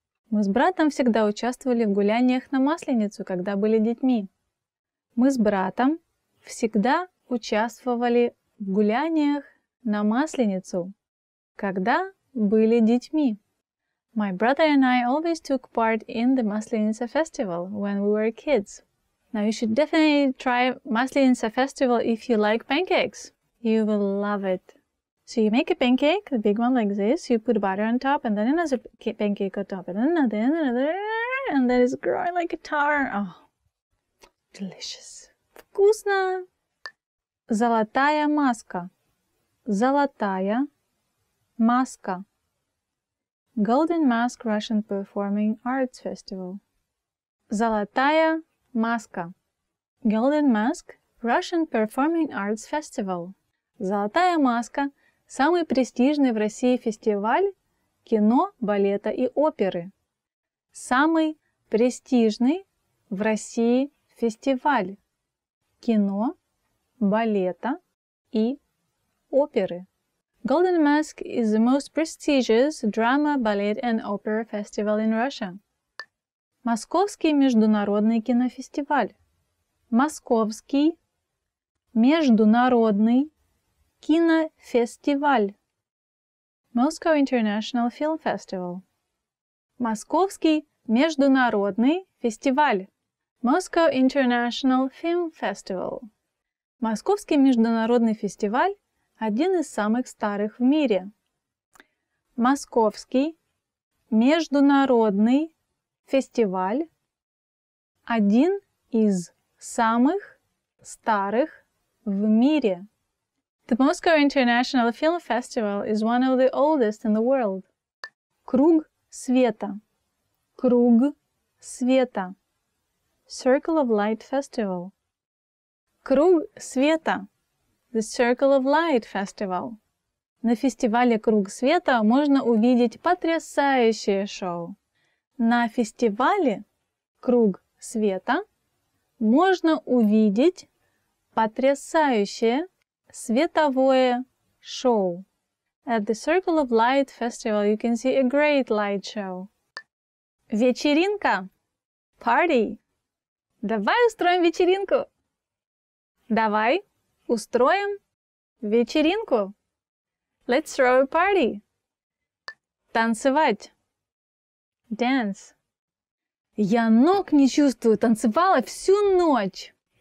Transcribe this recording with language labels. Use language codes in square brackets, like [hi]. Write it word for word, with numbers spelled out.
[ru] Мы с братом всегда участвовали в гуляниях на Масленицу, когда были детьми. Мы с братом всегда участвовали в гуляниях на Масленицу, когда были детьми. [en] My brother and I always took part in the Maslenica festival when we were kids. Now you should definitely try Maslenica festival if you like pancakes. You will love it. So you make a pancake, a big one like this, you put butter on top, and then another ca- pancake on top, and then another, and another, and then it's growing like a tower. Oh, delicious. [ru] Вкусно! Золотая маска. Золотая маска. [en] Golden Mask Russian Performing Arts Festival. [ru] Золотая маска. [en] Golden Mask Russian Performing Arts Festival. [ru] Золотая маска – самый престижный в России фестиваль кино, балета и оперы. Самый престижный в России фестиваль кино, балета и оперы. [en] Golden Mask is the most prestigious drama, ballet and opera festival in Russia. [ru] Московский международный кинофестиваль. Московский международный кинофестиваль. [en] Moscow International Film Festival. [ru] Московский международный фестиваль. [en] Moscow International Film Festival. [ru] Московский международный фестиваль – один из самых старых в мире. Московский международный фестиваль – один из самых старых в мире. [en] The Moscow International Film Festival is one of the oldest in the world. [ru] Круг света. Круг света. [en] Circle of Light Festival. [ru] Круг света. [en] The Circle of Light Festival. [ru] На фестивале «Круг света» можно увидеть потрясающее шоу. На фестивале «Круг света» можно увидеть потрясающее световое шоу. [en] At the Circle of Light Festival you can see a great light show. [ru] Вечеринка. [en] Party. [ru] Давай устроим вечеринку. Давай устроим вечеринку. [en] Let's throw a party. [ru] Танцевать. [en] Dance. [ru] Я ног не чувствую, танцевала всю ночь.